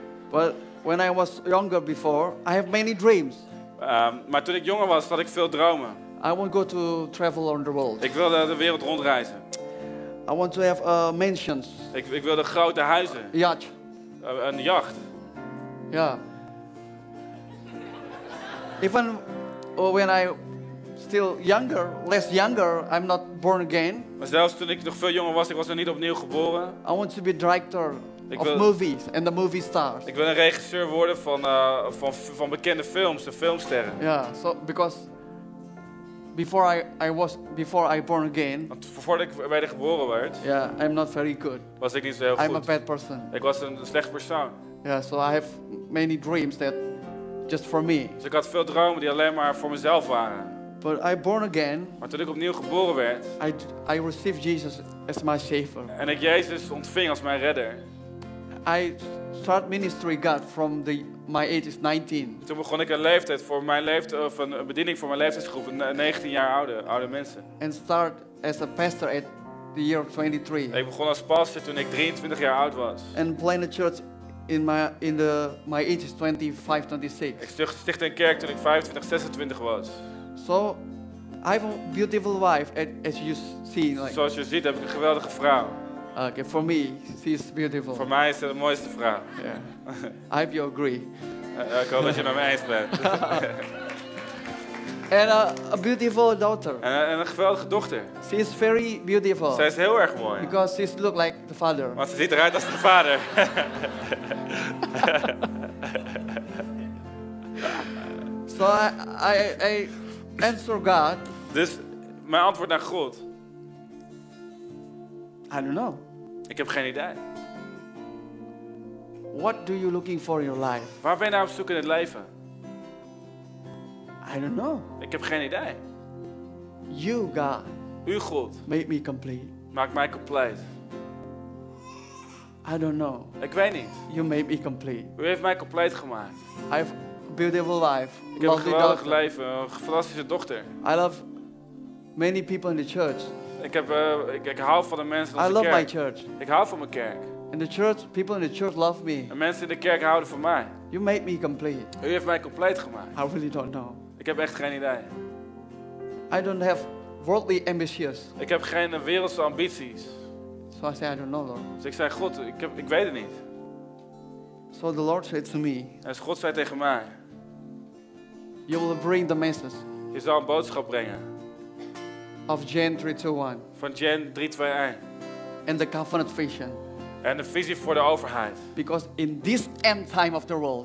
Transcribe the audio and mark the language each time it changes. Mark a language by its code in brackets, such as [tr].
[en] But when I was younger before, I have many dreams. [nl] Maar toen ik jonger was, had ik veel dromen. [en] I want to go to travel around the world. [nl] Ik wilde de wereld rondreizen. [en] I want to have mansions. [nl] Ik wilde grote huizen. [en] Yacht. [nl] Een jacht. Ja. [en] Even when I still younger, less younger, I'm not born again. [nl] Maar zelfs toen ik nog veel jonger was, ik was nog niet opnieuw geboren. [en] I want to be director. Of movies and the movie stars. [nl] Ik wil een regisseur worden van bekende films, de filmsterren. Ja, [en] yeah, so because before I born again. [nl] Want voordat ik bij de geboren werd. Ja, [en] yeah, I'm not very good. [nl] Was ik niet zo heel goed. [en] I'm a bad person. [nl] Ik was een slecht persoon. Ja, [en] yeah, so I have many dreams that just for me. [nl] Dus ik had veel dromen die alleen maar voor mezelf waren. [en] But I born again. [nl] Maar toen ik opnieuw geboren werd. [en] I received Jesus as my savior. [nl] En ik Jezus ontving als mijn redder. [en] I start ministry God from my age is 19. [nl] Toen begon ik een bediening voor mijn leeftijdsgroep, 19 jaar oude mensen. [en] And start as a pastor at the year of 23. [nl] Ik begon als pastor toen ik 23 jaar oud was. [en] And plant a church in my age is 25, 26. [nl] Ik stichtte een kerk toen ik 25, 26 was. [en] So I have a beautiful wife as you see. Like. [nl] Zoals je ziet heb ik een geweldige vrouw. [en] Okay, for me, she is beautiful. [nl] Voor mij is ze de mooiste vrouw. [en] Yeah. I hope you agree. [nl] Ik hoop dat je met me eens bent. [en] And a beautiful daughter. [nl] En een geweldige dochter. [en] She is very beautiful. [nl] Zij is heel erg mooi. [en] Because she looks like the father. [nl] Want ze ziet eruit als de vader. [en] So I answer God. [nl] Dus mijn antwoord naar God. [en] I don't know. [nl] Ik heb geen idee. [en] What do you looking for in your life? [nl] Waar ben je nou op zoek in het leven? [en] I don't know. [nl] Ik heb geen idee. [en] You God. [nl] U God. [en] Make me complete. [nl] Maak mij compleet. [en] I don't know. [nl] Ik weet niet. [en] You made me complete. [nl] U heeft mij compleet gemaakt. [en] I have a beautiful life. [nl] Ik heb een geweldig leven, een fantastische dochter. [en] I love many people in the church. [nl] Ik hou van de mensen in onze kerk. [en] I love my church. [nl] Ik hou van mijn kerk. [en] And the church, people in the church love me. [nl] En mensen in de kerk houden van mij. [en] You made me complete. [nl] U heeft mij compleet gemaakt. [en] I really don't know. [nl] Ik heb echt geen idee. [en] I don't have worldly ambitions. [nl] Ik heb geen wereldse ambities. [en] So I say, I don't know, Lord. [nl] Dus ik zei, God, ik weet het niet. [en] So the Lord said to me. [nl] En God zei tegen mij. [en] You will bring the message. [nl] Je zal een boodschap brengen. [en] Of Jan 321. [nl] Van Jan 321. [en] And the covenant vision. [nl] En de visie voor de overheid. [en] Because in this end time of the world.